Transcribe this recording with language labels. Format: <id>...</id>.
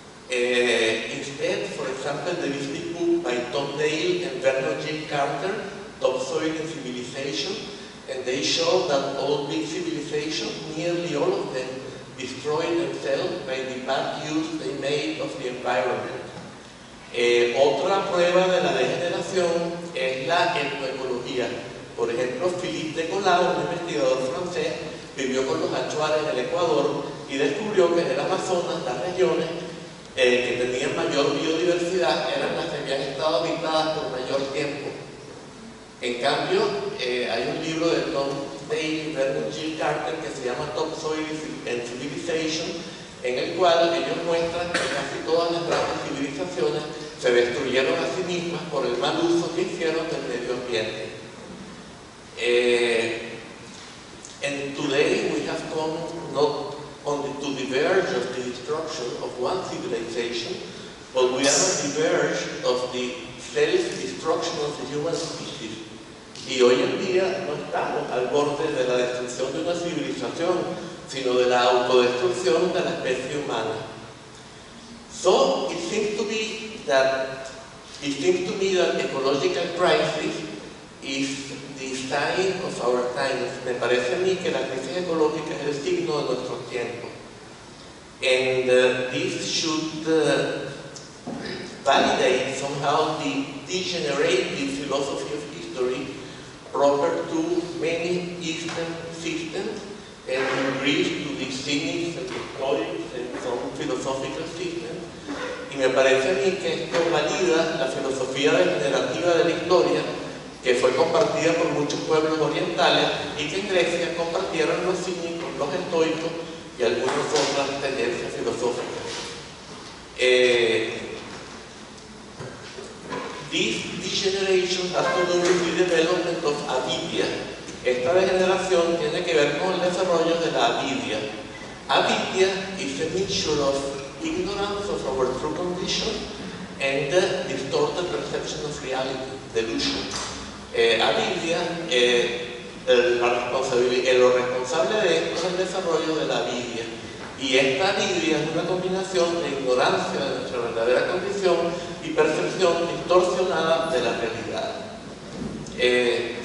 <en>Instead, for example, the recent book by Tom Dale and Vernon Jim Carter, Topsoil and Civilization, and they show that all big civilizations, nearly all of them, destroyed themselves by the bad use they made of the environment.</en> <es>Otra prueba de la degeneración es la etnoecología. Por ejemplo, Philippe Décollat, un investigador francés, vivió con los achuares en el Ecuador y descubrió que en el Amazonas, las regiones que tenían mayor biodiversidad eran las que habían estado habitadas por mayor tiempo. En cambio, hay un libro de Tom Dale y Vernon Jim Carter que se llama Topsoil and Civilization, en el cual ellos muestran que casi todas las grandes civilizaciones se destruyeron a sí mismas por el mal uso que hicieron del medio ambiente.</es> <en>And today we have come not only to the verge of the destruction of one civilization, but we are on the verge of the self-destruction of the human species.</en> <es>Y hoy en día no estamos al borde de la destrucción de una civilización, sino de la autodestrucción de la especie humana.</es> <en>So it seems to me that ecological crisis is the sign of our times.</en> <es>Me parece a mí que la crisis ecológica es el signo de nuestro tiempo.</es> <en>And this should validate somehow the degenerative philosophy of history proper to many Eastern systems, and in Greece to the Cynics and the Stoics and some philosophical systems.</en> <es>Y me parece a mí que esto valida la filosofía degenerativa de la historia, que fue compartida por muchos pueblos orientales y que en Grecia compartieron los cínicos, los estoicos y algunas otras tendencias filosóficas.</es> <en>This degeneration has to do with the development of avidia.</en> <es>Esta degeneración tiene que ver con el desarrollo de la avidia.</es> <en>Avidia is a mixture of ignorance of our true condition and distorted perception of reality, delusion.</en> <es>Avidia, lo responsable de esto es el desarrollo de la avidia. Y esta avidia es una combinación de ignorancia de nuestra verdadera condición y percepción distorsionada de la realidad.</es>